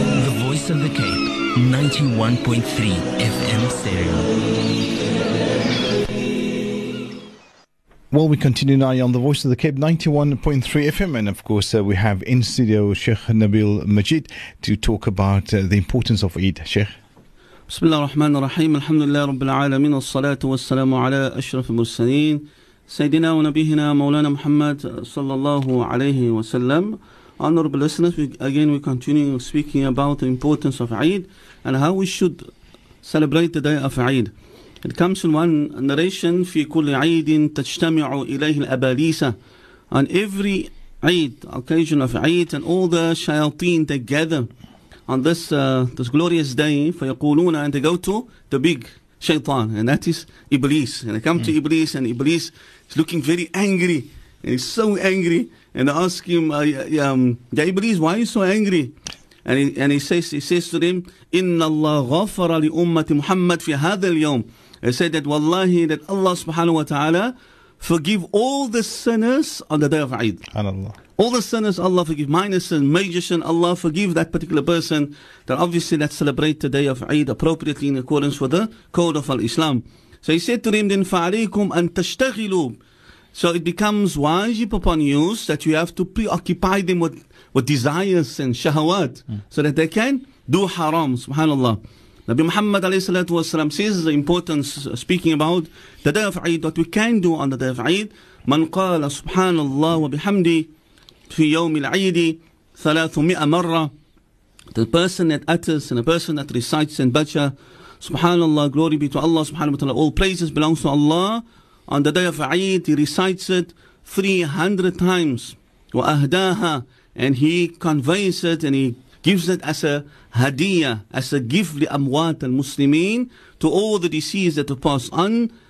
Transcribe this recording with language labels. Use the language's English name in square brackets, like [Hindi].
[English] The Voice of the Cape, 91.3 FM stereo. Well, we continue now on The Voice of the Cape, 91.3 FM, and of course we have in studio Sheikh Nabiel Majiet to talk about the importance of Eid. Sheikh. [Arabic] بسم الله الرحمن الرحيم الحمد لله رب العالمين والصلاة والسلام على أشرف المرسلين سيدنا ونبينا مولانا محمد صلى الله عليه وسلم. [English] Honorable listeners, we continue speaking about the importance of Eid and how we should celebrate the day of Eid. It comes in one narration: في كل عيد تجتمع إليه الأباليسة. On every Eid, occasion of Eid, and all the shayateen together on this glorious day, فيقولون, and they go to the big shaitan, and that is Iblis. And they come to Iblis, and Iblis is looking very angry, and he's so angry, and they ask him, Iblis, why are you so angry? [Arabic] And he says to them, إِنَّ اللَّهَ غَفَرَ لِأُمَّةِ مُحَمَّدٍ فِي هَذَا الْيَوْمِ. [English] They said that, wallahi, that Allah subhanahu wa ta'ala forgive all the sinners on the day of Eid. Allah. All the sinners, Allah forgive. Minor sin, major sin, Allah forgive that particular person. That obviously, let's celebrate the day of Eid appropriately in accordance with the code of Islam. So he said to him, then, فَعَلَيْكُمْ أَن تَشْتَغِلُوا. So it becomes wajib upon you that you have to preoccupy them with desires and shahawat so that they can do haram, subhanAllah. Nabi Muhammad alayhi salatu wasalam says the importance, speaking about the day of Eid, what we can do on the day of Eid. [Arabic] مَنْ قَالَ سُبْحَانَ اللَّهُ وَبِحَمْدِي في يوم العيد 300 مرة. [English] The person that utters and the person that recites and butcher Subhanallah, glory be to Allah subhanahu wa ta'ala, all praises belong to Allah, on the day of Eid he recites it 300 times. وأهداها, and he conveys it and he gives it as a hadiyah, as a gift لأموات المسلمين, to all the deceased that have passed on.